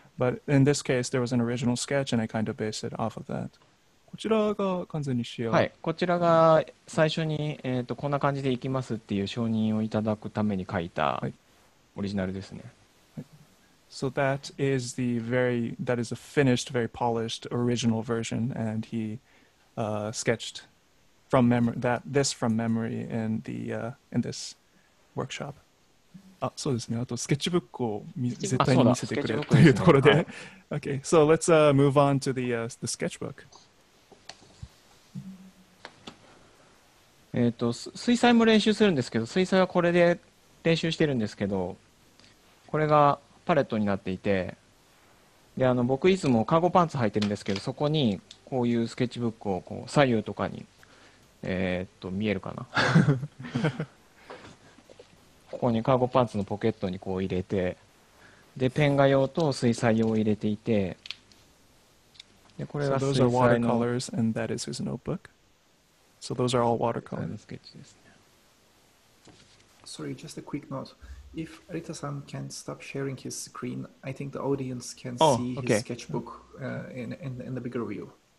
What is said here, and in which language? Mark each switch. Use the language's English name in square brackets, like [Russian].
[English] But in this case, there was an original sketch and I kind of based it off of that. [Japanese] こちらが完全に仕上がり。はい、こちらが最初に、こんな感じでいきますっていう承認をいただくために書いた、はい。オリジナルですね。 [English] So that is the very, that is a finished, very polished original version, and he sketched from memory, that, this from memory in the, in this workshop. [Japanese] あ、そうですね。あとスケッチブックを絶対に見せてくれというところで。 [English] Okay, so let's move on to the sketchbook. [Japanese] 水彩も練習するんですけど、水彩はこれで練習してるんですけど、これがパレットになっていて、で僕いつもカーゴパンツ履いてるんですけど、そこにこういうスケッチブックをこう左右とかに見えるかな。ここにカーゴパンツのポケットにこう入れて、でペン画用と水彩用を入れていて、でこれが水彩の。 [English] So those are watercolors and that is his notebook. So those are all watercolors. [Japanese] スケッチですね。 [English] Sorry, just a quick note. If Arita-san can stop sharing his screen, I think the audience can see his sketchbook in the bigger view.